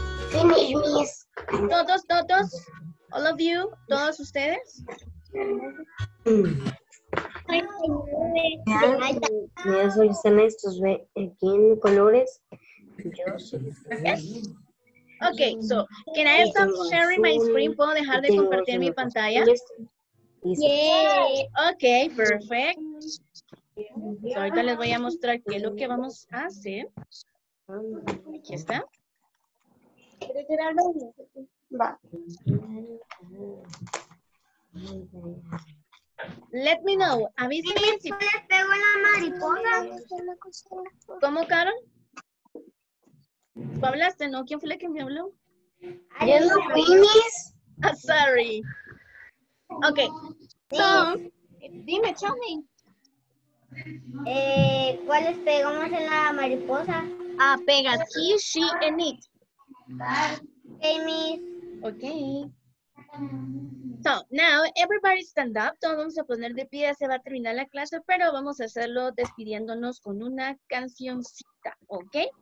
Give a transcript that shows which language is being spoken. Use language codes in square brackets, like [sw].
[en] Finish, Miss. [es] Todos, [en] all of you, [es] todos ustedes. Ya solo están estos aquí en colores. [en] Okay, so can I stop sharing my screen? [es] ¿Puedo dejar de compartir mi pantalla? [en] Yeah. Okay, perfect. [es] So ahorita les voy a mostrar qué es lo que vamos a hacer. Aquí está. Va. [en] Let me know. [es] Avísenme. ¿Y si le pego la mariposa? ¿Cómo, Carol? ¿Tú hablaste, no? ¿Quién fue la que me habló? ¿Yo no fui, Miss? [en] Ah, sorry. Ok. So, [es] dime, [en] tell me. [es] ¿Cuáles pegamos en la mariposa? [en] Ah, [es] pegas [en] he, she, and it. Ok, Miss. Ok. So, now, everybody stand up. [es] Todos vamos a poner de pie, se va a terminar la clase, pero vamos a hacerlo despidiéndonos con una cancioncita, ¿ok?